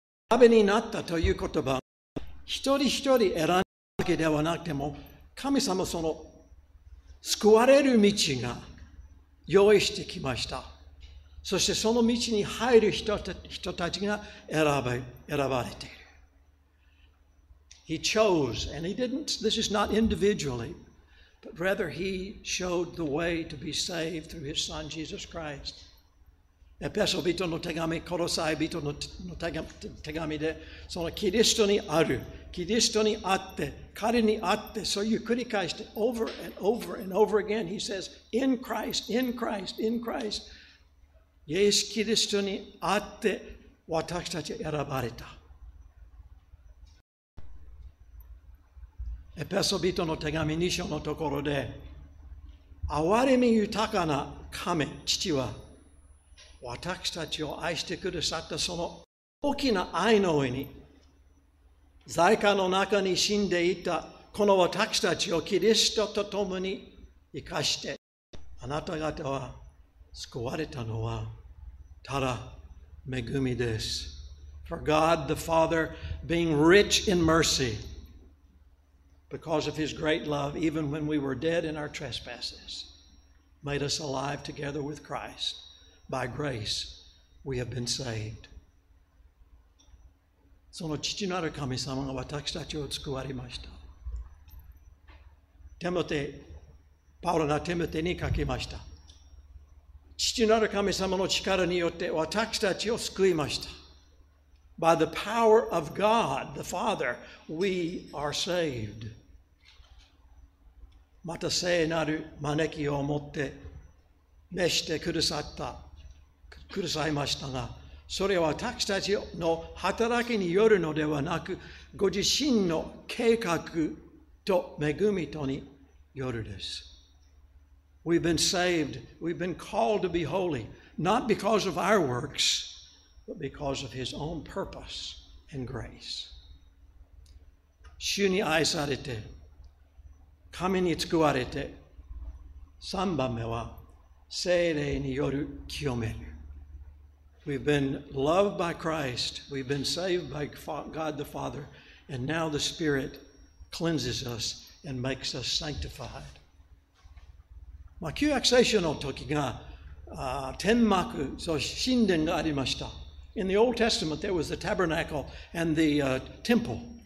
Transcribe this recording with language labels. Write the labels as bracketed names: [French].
[Japanese] 選びになったという言葉、一人一人選んだわけではなくても、神様その救われる道が用意してきました。そしてその道に入る人たちが選ばれている。 [English] He chose, and he didn't, this is not individually, but rather he showed the way to be saved through his son Jesus Christ. [Japanese] エペソ人の手紙、コロサイ人の手紙で、そのキリストにある、キリストにあって、彼にあって、そういう繰り返して、 [English] over and over and over again, he says, in Christ, [Japanese] in Christ, in Christ,イエス・キリストにあって私たち選ばれた。エペソ人の手紙2章のところで、憐れみ豊かな神、父は私たちを愛してくださったその大きな愛の上に、罪禍の中に死んでいたこの私たちをキリストと共に生かして、あなた方は救われたのは、ただ恵みです。 [English] For God the Father, being rich in mercy, because of his great love, even when we were dead in our trespasses, made us alive together with Christ. By grace, we have been saved. [Japanese] その父なる神様が私たちを救われました。テモテ、パウロがテモテに書きました。父なる神様の力によって私たちを救いました。 [English] By the power of God, the Father, we are saved. [Japanese] また聖なる招きを持って召してくださった、くださいましたが、それは私たちの働きによるのではなく、ご自身の計画と恵みとによるです。 [English] We've been saved, we've been called to be holy, not because of our works, but because of His own purpose and grace. [Japanese] 主に愛されて、神に救われて、三番目は聖霊による清める。 [English] We've been loved by Christ. We've been saved by God the Father. And now the Spirit cleanses us and makes us sanctified. [Japanese] まあ、旧約聖書の時が、天幕、そして神殿がありました。 [English] In the Old Testament, there was the tabernacle and the temple.